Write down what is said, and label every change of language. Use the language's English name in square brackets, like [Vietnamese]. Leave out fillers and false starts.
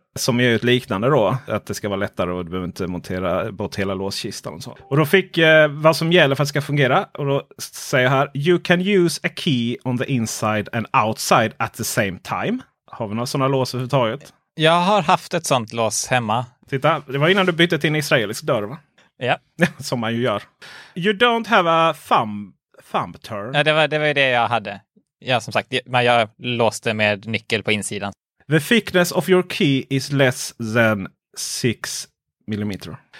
[Swedish] Som är ju ett liknande då, att det ska vara lättare och du behöver inte montera bort hela låskistan och så. Och då fick vad som gäller för att det ska fungera. Och då säger jag här, [English] you can use a key on the inside and outside at the same time. [Swedish] Har vi några sådana lås överhuvudtaget? Jag har haft ett sånt lås hemma. Titta, det var innan du bytte till en israelisk dörr, va? Ja. Som man ju gör. [English] You don't have a thumb turn. [Swedish] Ja, det var ju det jag hade. Ja, som sagt, men jag låste med nyckel på insidan. [English] The thickness of your key is less than 6 millimeter.